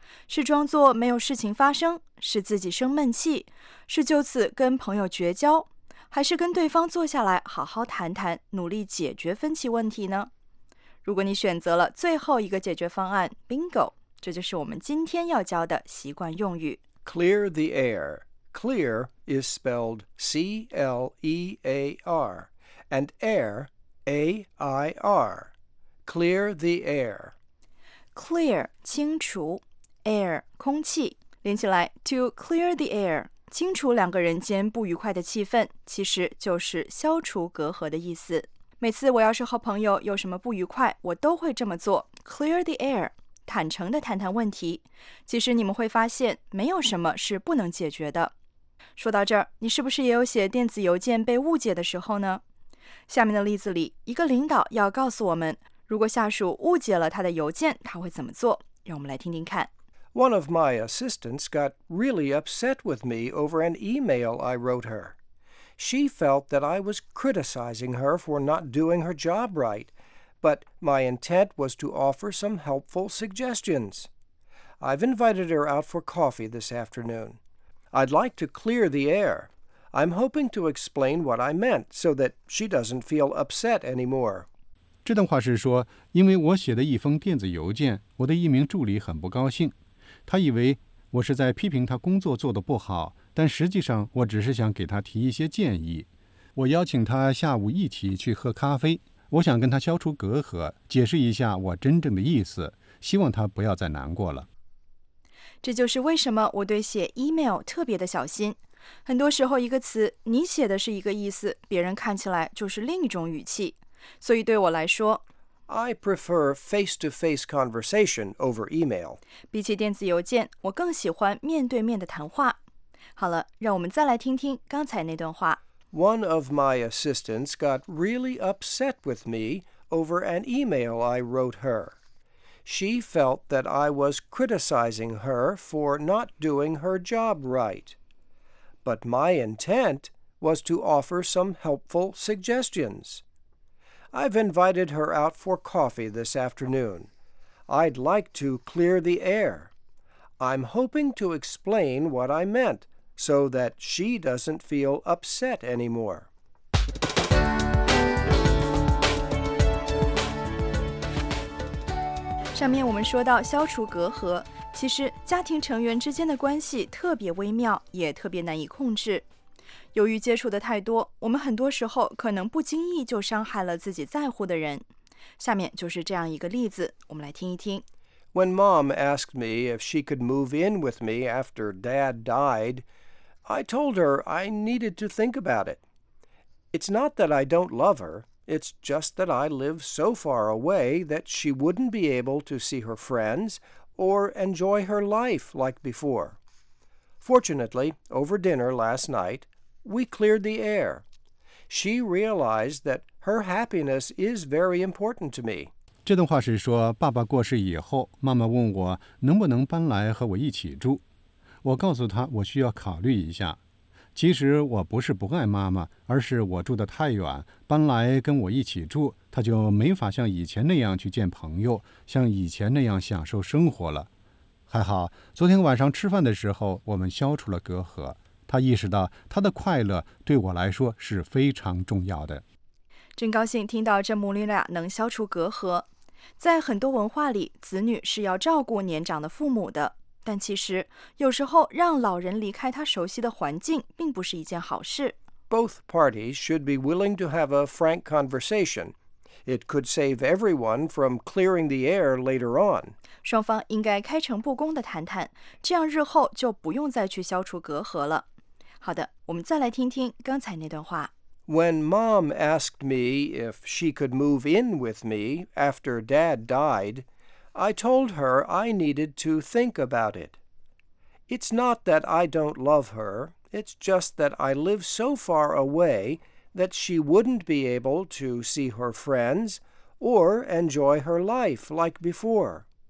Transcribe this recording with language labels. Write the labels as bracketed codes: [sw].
[zh] 是装作没有事情发生，是自己生闷气，是就此跟朋友绝交，还是跟对方坐下来好好谈谈，努力解决分歧问题呢？如果你选择了最后一个解决方案 ,bingo, 这就是我们今天要教的习惯用语。 [en] Clear the air. Clear is spelled C-L-E-A-R, and air,A-I-R, clear the air. [zh] Clear, 清除 air, 空气。连起来 [en] to clear the air, [zh] 清除两个人间不愉快的气氛，其实就是消除隔阂的意思。每次我要是和朋友有什么不愉快，我都会这么做 [en] clear the air, [zh] 坦诚地谈谈问题。其实你们会发现，没有什么是不能解决的。说到这儿，你是不是也有写电子邮件被误解的时候呢？下面的例子里，一个领导要告诉我们，如果下属误解了他的邮件，他会怎么做？让我们来听听看。 [en] One of my assistants got really upset with me over an email I wrote her. She felt that I was criticizing her for not doing her job right, but my intent was to offer some helpful suggestions. I've invited her out for coffee this afternoon. I'd like to clear the air. I'm hoping to explain what I meant so that she doesn't feel upset anymore. [zh] 这段话是说，因为我写的一封电子邮件，我的一名助理很不高兴。他以为我是在批评他工作做得不好，但实际上我只是想给他提一些建议。我邀请他下午一起去喝咖啡，我想跟他消除隔阂，解释一下我真正的意思，希望他不要再难过了。这就是为什么我对写 email 特别的小心。很多时候一个词你写的是一个意思，别人看起来就是另一种语气。所以对我来说 [en] I prefer face-to-face conversation over email. [zh] 比起电子邮件，我更喜欢面对面的谈话。好了，让我们再来听听刚才那段话。 [en] One of my assistants got really upset with me over an email I wrote her. She felt that I was criticizing her for not doing her job right. But my intent was to offer some helpful suggestions. I've invited her out for coffee this afternoon. I'd like to clear the air. I'm hoping to explain what I meant. So that she doesn't feel upset anymore. [zh] 上面我们说到消除隔阂，其实家庭成员之间的关系特别微妙，也特别难以控制。由于接触的太多，我们很多时候可能不经意就伤害了自己在乎的人。下面就是这样一个例子，我们来听一听。 [en] When mom asked me if she could move in with me after dad died,I told her I needed to think about it. It's not that I don't love her, it's just that I live so far away that she wouldn't be able to see her friends or enjoy her life like before. Fortunately, over dinner last night, we cleared the air. She realized that her happiness is very important to me. [zh] 这段话是说，爸爸过世以后，妈妈问我能不能搬来和我一起住。我告诉他我需要考虑一下。其实我不是不爱妈妈，而是我住得太远，搬来跟我一起住，他就没法像以前那样去见朋友，像以前那样享受生活了。还好，昨天晚上吃饭的时候，我们消除了隔阂。他意识到他的快乐对我来说是非常重要的。真高兴听到这母女俩能消除隔阂。在很多文化里，子女是要照顾年长的父母的。但其实，有时候让老人离开他熟悉的环境并不是一件好事。 [en] Both parties should be willing to have a frank conversation. It could save everyone from clearing the air later on. [zh] 双方应该开诚布公地谈谈，这样日后就不用再去消除隔阂了。好的，我们再来听听刚才那段话。 [en] When mom asked me if she could move in with me after dad died,I told her I needed to think about it. It's not that I don't love her, it's just that I live so far away that she wouldn't be able to see her friends or enjoy her life like before.